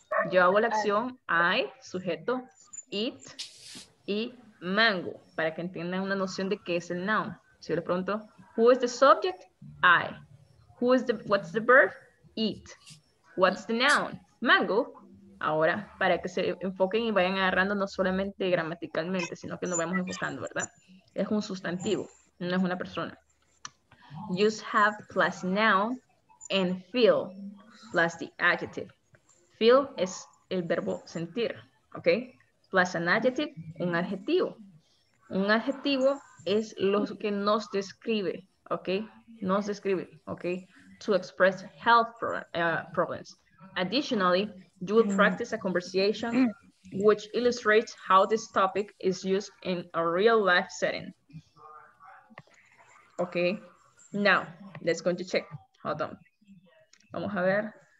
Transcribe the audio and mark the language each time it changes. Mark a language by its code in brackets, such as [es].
[es] Yo hago la acción, I, sujeto, eat, y mango, para que entiendan una noción de qué es el noun. Si yo les pregunto, [en] who is the subject? I. Who is the, what's the verb? Eat. What's the noun? Mango. [es] Ahora, para que se enfoquen y vayan agarrando no solamente gramaticalmente, sino que nos vayamos enfocando, ¿verdad? Es un sustantivo, no es una persona. [en] Use have plus noun and feel plus the adjective. [es] Feel es el verbo sentir, ¿ok? [en] Plus an adjective, [es] un adjetivo. Un adjetivo es lo que nos describe, ¿ok? Nos describe, ¿ok? [en] To express health problems. Additionally, you will practice a conversation which illustrates how this topic is used in a real life setting. ¿Ok? Now, let's go to check. Hold on. [es] Vamos a ver.